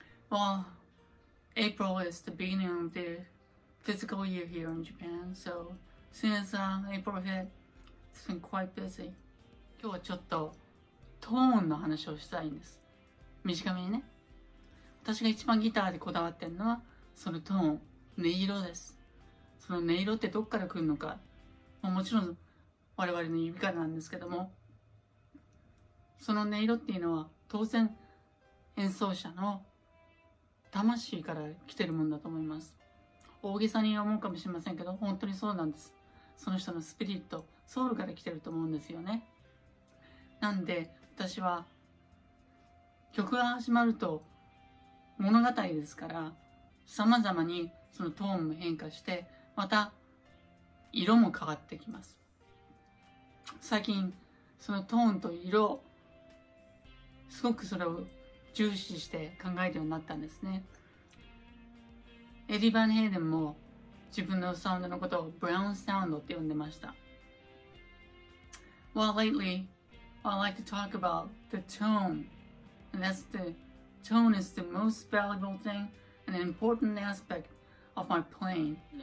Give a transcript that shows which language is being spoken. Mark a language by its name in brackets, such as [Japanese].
[English] Well, April is the beginning of the physical year here in Japan, so as soon as April hit, it's been quite busy. [Japanese] 今日はちょっとトーンの話をしたいんです。短めにね。私が一番ギターでこだわってるのはそのトーン、音色です。その音色ってどっから来るのか、もちろん我々の指からなんですけども、その音色っていうのは当然演奏者の魂から来てるもんだと思います。大げさに思うかもしれませんけど、本当にそうなんです。その人のスピリット、ソウルから来てると思うんですよね。なんで私は曲が始まると物語ですから、様々にそのトーンも変化して、また色も変わってきます。最近そのトーンと色、すごくそれを重視して考えるようになったんですね。エディ・バン・ヘイデンも自分のサウンドのことをブラウン・サウンドって呼んでました。 [English] Well, lately I like to talk about the tone, and that's the tone is the most valuable thing and an important aspectof my playing.